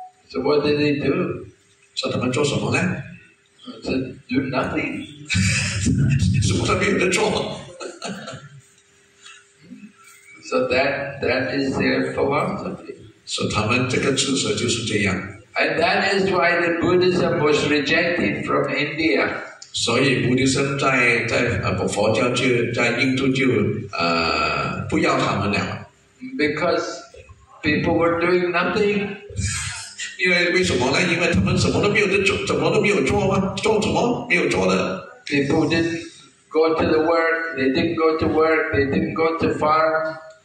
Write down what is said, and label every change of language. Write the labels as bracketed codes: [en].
[en] So what did they do? [zh] 所以他们做什么呢？ [en] So do nothing. [zh] 什么都没有得做。 [en] So that is their philosophy. [zh] 所以他们这个知识就是这样。 [en] And that is why the Buddhism was rejected from India. [zh] 所以Buddhism在佛教就在印度就不要他们了。 [en] Because people were doing nothing. [zh] 因为什么呢？因为他们什么都没有做，怎么都没有做吗？做什么？没有做的。 [en] People didn't go to the work, they didn't go to work, they didn't go to farm.